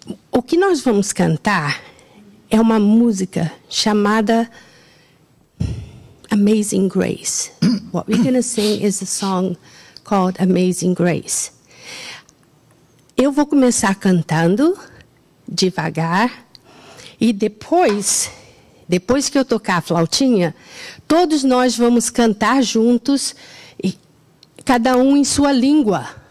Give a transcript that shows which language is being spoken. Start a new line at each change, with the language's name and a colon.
Portuguese: O que nós vamos cantar é uma música chamada Amazing Grace.
English: What we're going to sing is a song called Amazing Grace.
Portuguese: Eu vou começar cantando devagar e depois que eu tocar a flautinha, todos nós vamos cantar juntos, e cada um em sua língua.